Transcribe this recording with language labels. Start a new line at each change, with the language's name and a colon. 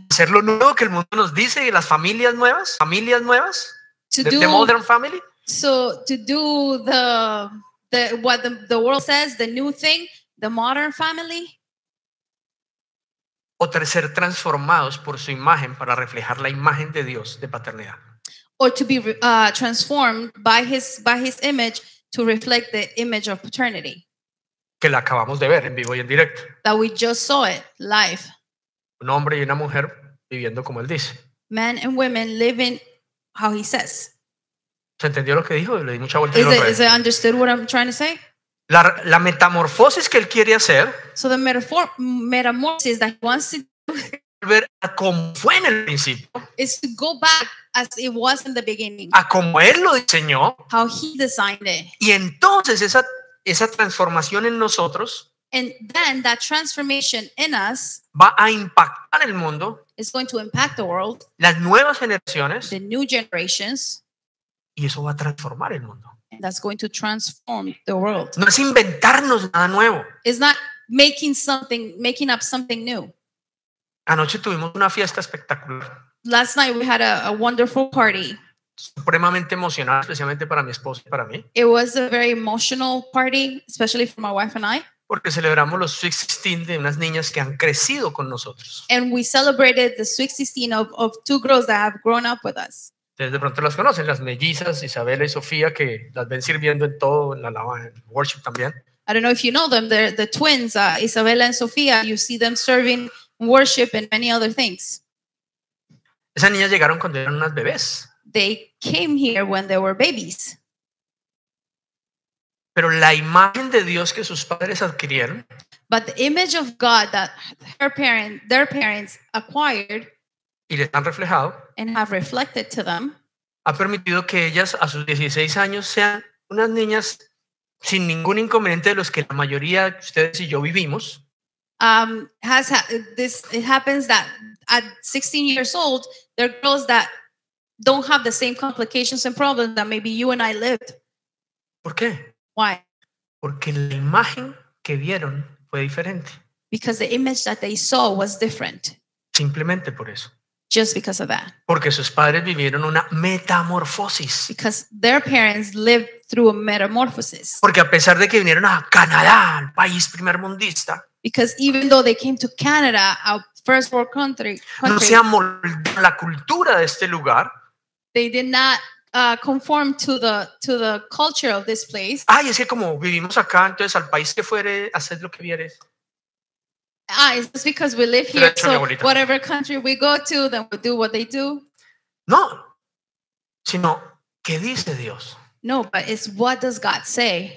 Spanish: Hacer lo nuevo que el mundo nos dice y las familias nuevas,
English: the modern family. So to do the world says, the new thing, the modern family.
Spanish: O ser transformados por su imagen para reflejar la imagen de Dios de paternidad.
English: Or to be transformed by his image to reflect the image of paternity.
Spanish: Que la acabamos de ver en vivo y en directo.
English: That we just saw it live.
Spanish: Un hombre y una mujer viviendo como él dice.
English: Men and women living how he says.
Spanish: ¿Se entendió lo que dijo? Le di mucha vuelta.
English: Is it understood what I'm trying to say?
Spanish: La metamorfosis que él quiere hacer.
English: So the metamorphosis that he wants to do.
Spanish: Volver a como fue en el principio.
English: Is to go back as it was in the beginning.
Spanish: A como él lo diseñó.
English: How he designed it.
Spanish: Y entonces esa transformación en nosotros.
English: And then that transformation in us.
Spanish: Va a impactar el mundo.
English: Is going to impact the world.
Spanish: Las nuevas generaciones.
English: The new generations.
Spanish: Y eso va a transformar el mundo.
English: That's going to transform the world.
Spanish: No es inventarnos nada nuevo.
English: It's not making up something new.
Spanish: Anoche tuvimos una fiesta espectacular.
English: Last night we had a wonderful party.
Spanish: Supremamente emocional, especialmente para mi esposa y para mí.
English: It was a very emotional party, especially for my wife and I.
Spanish: Porque celebramos los Sweet 16 de unas niñas que han crecido con nosotros.
English: And we celebrated the Sweet 16 of two girls that have grown up with us.
Spanish: Ustedes de pronto las conocen, las mellizas, Isabela y Sofía, que las ven sirviendo en todo, en la alabanza, en worship también.
English: I don't know if you know them, they're the twins, Isabela and Sofía, you see them serving worship and many other things.
Spanish: Esas niñas llegaron cuando eran unas bebés.
English: They came here when they were babies.
Spanish: Pero la imagen de Dios que sus padres adquirieron.
English: But the image of God that their parents acquired.
Spanish: Y les han reflejado.
English: And have reflected to them.
Spanish: Ha permitido que ellas a sus 16 años sean unas niñas sin ningún inconveniente de los que la mayoría de ustedes y yo vivimos.
English: It happens that at 16 years old, they're girls that don't have the same complications and problems that maybe you and I lived.
Spanish: ¿Por qué?
English: Why?
Spanish: Porque la imagen que vieron fue diferente.
English: Because the image that they saw was different.
Spanish: Simplemente por eso.
English: Just because of that.
Spanish: Porque sus padres vivieron una metamorfosis.
English: Because their parents lived through a metamorphosis.
Spanish: Porque a pesar de que vinieron a Canadá, el país primermundista.
English: Because even though they came to Canada, a first world country.
Spanish: No se amoldó la cultura de este lugar.
English: They did not conform to the culture of this place.
Spanish: Ay, es que como vivimos acá, entonces al país que fuere, haced lo que vieres.
English: Ah, it's just because we live here, so whatever country we go to, then we do what they do.
Spanish: No, sino, ¿qué dice Dios?
English: No, but it's what does God say?